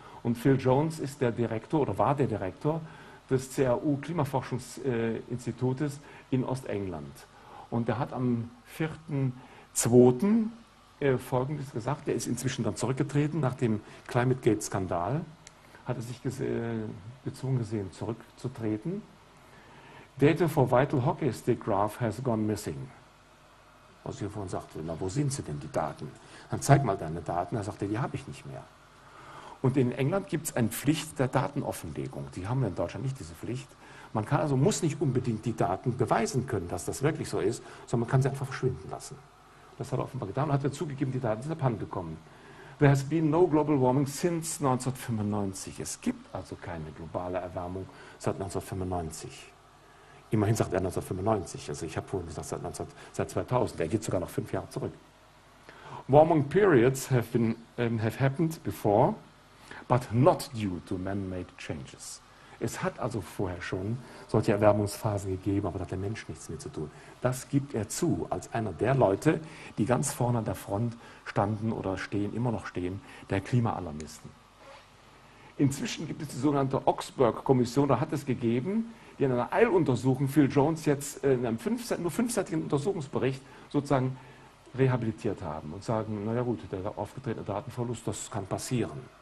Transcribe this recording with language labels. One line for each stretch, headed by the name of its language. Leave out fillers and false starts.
German: Und Phil Jones ist der Direktor oder war der Direktor des CRU Klimaforschungsinstitutes in Ostengland. Und er hat am 4.2. Folgendes gesagt, er ist inzwischen dann zurückgetreten nach dem Climategate-Skandal, hat er sich gezwungen gesehen, zurückzutreten.
English: Data for vital hockey stick graph has gone missing.
German: Was ich vorhin sagte, na wo sind sie denn, die Daten? Dann zeig mal deine Daten. Er sagte, die habe ich nicht mehr. Und in England gibt es eine Pflicht der Datenoffenlegung. Die haben wir in Deutschland nicht, diese Pflicht. Man kann also, muss nicht unbedingt die Daten beweisen können, dass das wirklich so ist, sondern man kann sie einfach verschwinden lassen. das hat er offenbar getan, und hat er zugegeben, die Daten sind abhanden gekommen.
English: There has been no global warming since 1995.
German: Es gibt also keine globale Erwärmung seit 1995. Immerhin sagt er 1995, also ich habe vorhin gesagt seit 2000, er geht sogar noch 5 Jahre zurück.
English: Warming periods have happened before, but not due to man-made changes.
German: Es hat also vorher schon solche Erwärmungsphasen gegeben, aber da hat der Mensch nichts mehr zu tun. Das gibt er zu, als einer der Leute, die ganz vorne an der Front standen oder stehen, immer noch stehen, der Klimaalarmisten. Inzwischen gibt es die sogenannte Oxberg-Kommission, da hat es gegeben, die in einer Eiluntersuchung Phil Jones jetzt in einem fünfseitigen Untersuchungsbericht sozusagen rehabilitiert haben und sagen, naja gut, der aufgetretene Datenverlust, das kann passieren.